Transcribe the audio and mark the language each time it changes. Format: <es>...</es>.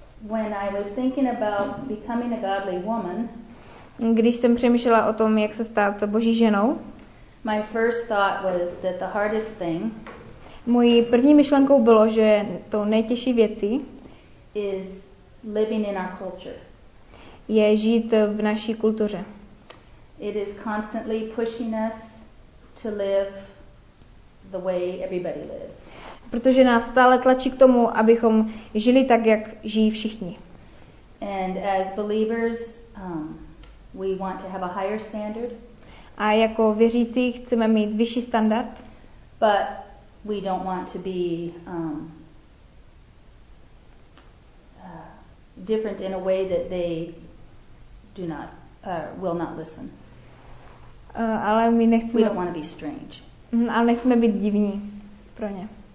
<en>When I was thinking about becoming a godly woman,</en> <cs>když jsem přemýšlela o tom, jak se stát Boží ženou,</cs> <en>my first thought was that the hardest thing,</en> <cs>mojí první myšlenkou bylo, že to nejtěžší věcí</cs> <en>is living in our culture.</en> <cs>Je žít v naší kultuře.</cs> <en>It is constantly pushing us to live the way everybody lives.</en> <cs>Protože nás stále tlačí k tomu, abychom žili tak, jak žijí všichni.</cs> <en>And as believers, we want to have a higher standard.</en> <cs>A jako věřící chceme mít vyšší standard.</cs> <en>But we don't want to be different in a way that they do not will not listen.</en> <cs>Ale my nechceme.</cs> <en>We don't want to be strange.</en> <cs>Ale nechceme být divní pro ně.</cs>